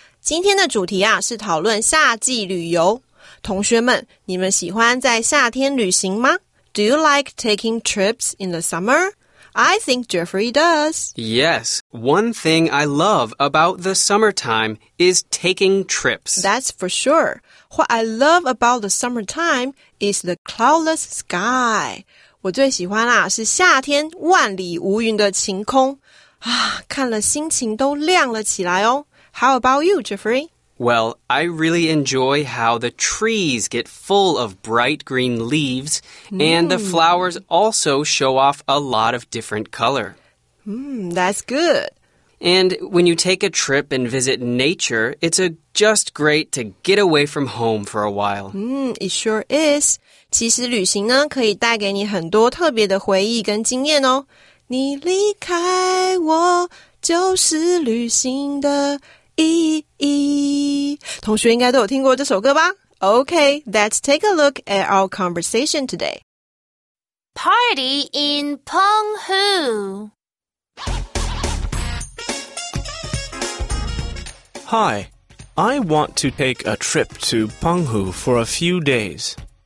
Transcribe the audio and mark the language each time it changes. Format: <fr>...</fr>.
<zh>今天的主题啊，是讨论夏季旅游。同学们，你们喜欢在夏天旅行吗？</zh> <en>Do you like taking trips in the summer? I think Jeffrey does. Yes, one thing I love about the summertime is taking trips. That's for sure. What I love about the summertime is the cloudless sky.</en> <zh>我最喜欢啊是夏天万里无云的晴空。啊，看了心情都亮了起来哦。</zh> <en>How about you, Jeffrey? Well, I really enjoy how the trees get full of bright green leaves, and the flowers also show off a lot of different color. That's good. And when you take a trip and visit nature, it's just great to get away from home for a while. It sure is.</en> <zh>其实旅行呢可以带给你很多特别的回忆跟经验哦。你离开我就是旅行的意义。同学应该都有听过这首歌吧？</zh> <en>Okay, let's take a look at our conversation today. Party in Penghu. Hi, I want to take a trip to Penghu for a few days.</en>